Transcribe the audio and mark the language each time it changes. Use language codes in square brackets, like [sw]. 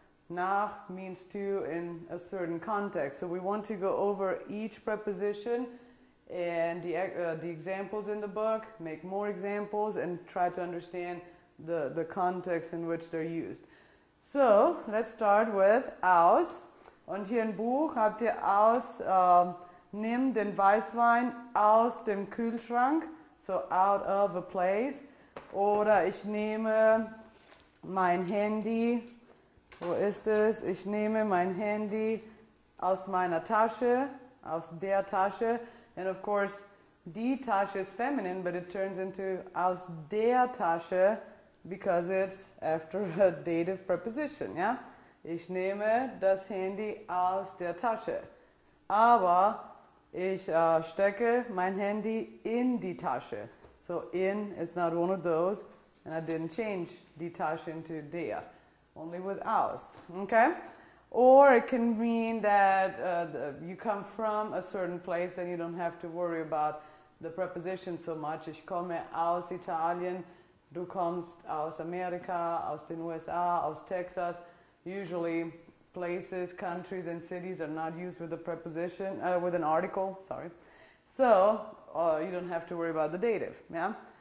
[en] Nach means to in a certain context. So we want to go over each preposition and the examples in the book, make more examples, and try to understand the context in which they're used. So let's start with aus. [de] Und hier im Buch habt ihr aus, nimm den Weißwein aus dem Kühlschrank. [en] So, out of a place. [de] Oder ich nehme mein Handy. Wo ist es? Ich nehme mein Handy aus meiner Tasche. Aus der Tasche. [en] And of course, [de] die Tasche [en] is feminine, but it turns into [de] aus der Tasche [en] because it's after a dative preposition. [de] Yeah? Ich nehme das Handy aus der Tasche. Aber ich stecke mein Handy in die Tasche. [en] So in is not one of those, and I didn't change [de] die Tasche [en] into der, only with aus, okay? Or it can mean that you come from a certain place, then you don't have to worry about the preposition so much. [de] Ich komme aus Italien, du kommst aus Amerika, aus den USA, aus Texas. [en] Usually, places, countries, and cities are not used with a preposition, with an article, sorry. So, you don't have to worry about the dative, yeah?